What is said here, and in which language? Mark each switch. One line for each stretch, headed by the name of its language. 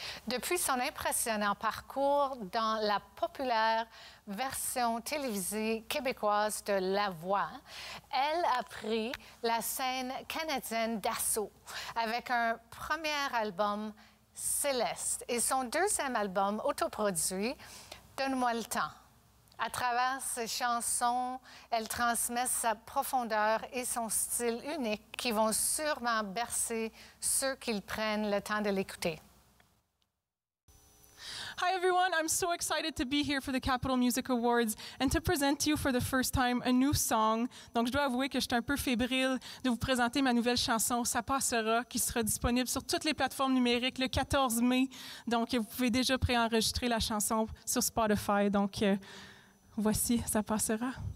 French: Depuis son impressionnant parcours dans la populaire version télévisée québécoise de La Voix, elle a pris la scène canadienne d'assaut avec un premier album, Céleste, et son deuxième album autoproduit, Donne-moi le temps. À travers ses chansons, elle transmet sa profondeur et son style unique qui vont sûrement bercer ceux qui prennent le temps de l'écouter.
English: Hi everyone, I'm so excited to be here for the Capitale Music Awards and to present to you for the first time a new song.
French: Donc je dois avouer que je suis un peu fébrile de vous présenter ma nouvelle chanson Ça passera qui sera disponible sur toutes les plateformes numériques le 14 mai. Donc vous pouvez déjà préenregistrer la chanson sur Spotify. Donc voici Ça passera.